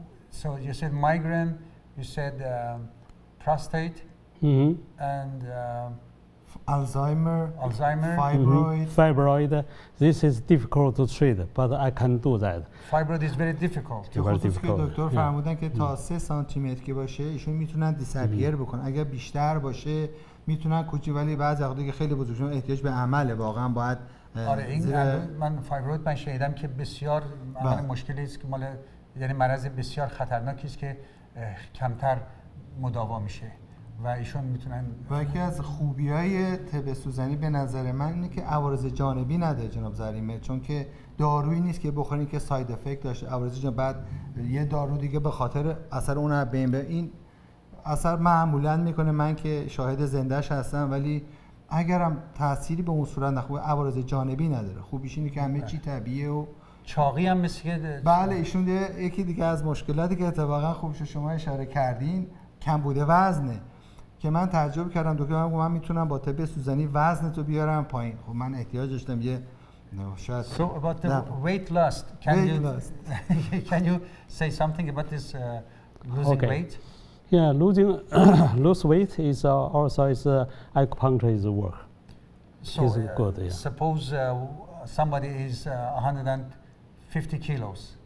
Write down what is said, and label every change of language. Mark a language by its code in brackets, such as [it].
[en] So you said migraine, you said prostate, and Alzheimer, fibroid. This is difficult to treat, but I can do that. Fibroid is very difficult. [fa] دکتر فرمودن که تا 3 سانتی متر که باشه ایشون میتونن دیسپیر بکنن. اگر بیشتر باشه میتونن کوچی، ولی بعضی وقتا که خیلی بزرگ شون احتیاج به عمله واقعا باید. آره، این من فایبروید من شنیدم که بسیار مشکلی است که مال، یعنی مرض بسیار خطرناکی است که کمتر مداوا میشه. و ایشون میتونن، و یکی از خوبیای طب سوزنی به نظر من اینه که عوارض جانبی نداره جناب زریمه، چون که دارویی نیست که بخورین که ساید افکت داشته عوارض جانبی، بعد یه دارو دیگه به خاطر اثر اون رو بین به این اثر معمولا میکنه. من که شاهد زندهش هستم، ولی اگرم تأثیری به اون صورت نخوره عوارض جانبی نداره. خوبیش اینه که همه چی طبیعیه و چاقی هم مثل که بله، ایشون یکی دیگه از مشکلاتی که اتفاقا خوبش شما اشاره کردین کم بوده وزنه، که من تعجب کردم دکتر، من گفتم من میتونم با طب سوزنی وزنتو بیارم پایین. خب من احتیاج داشتم یه شاید. [en] So about the weight loss, can you say something about this losing weight? Yeah, losing lose weight is also is acupuncture is work. So is good, yeah. Suppose somebody is 150 kilos.